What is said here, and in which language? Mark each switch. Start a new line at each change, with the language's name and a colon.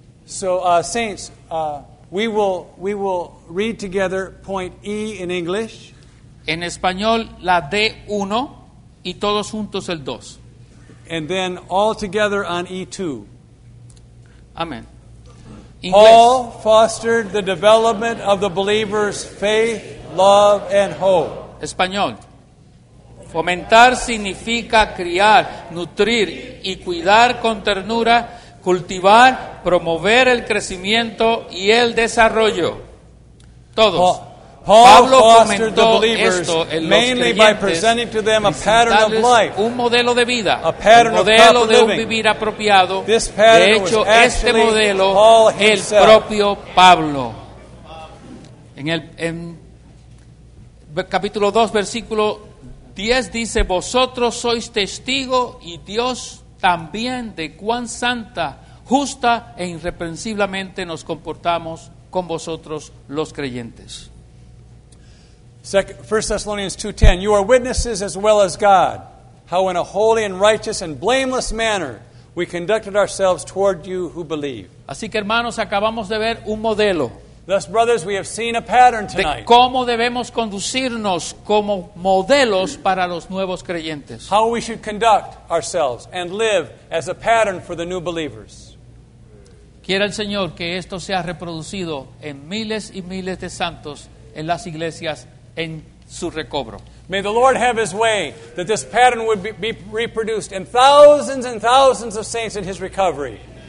English: So, saints, we will read together point E in English.
Spanish: En español, la D uno y todos juntos el dos.
English: And then all together on E two. Amen. English. Paul fostered the development of the believer's faith, love, and hope.
Spanish: Español. Fomentar significa criar, nutrir y cuidar con ternura, cultivar, promover el crecimiento y el desarrollo. Todos. Pablo fomentó esto en
English: mainly
Spanish: los creyentes
English: by presenting to them a pattern of life,
Spanish: un modelo de vida,
English: a pattern
Spanish: un modelo
English: of
Spanish: de un
English: living.
Spanish: Vivir apropiado.
English: This pattern
Spanish: de hecho,
English: was actually
Spanish: este modelo,
English: Paul himself.
Spanish: El propio Pablo. En capítulo 2, versículo 10 dice, vosotros sois testigo y Dios también de cuán santa, justa e irreprensiblemente nos comportamos con vosotros los creyentes.
English: 1 Thessalonians 2:10, you are witnesses as well as God, how in a holy and righteous and blameless manner we conducted ourselves toward you who believe.
Spanish: Así que hermanos, acabamos de ver un modelo.
English: Thus, brothers, we have seen a pattern tonight.
Spanish: De cómo debemos conducirnos como modelos para los nuevos creyentes.
English: How we should conduct ourselves and live as a pattern for the new believers.
Spanish: Quiera el Señor que esto sea reproducido en miles y miles de santos en las iglesias en su recobro.
English: May the Lord have His way that this pattern would be reproduced in thousands and thousands of saints in His recovery.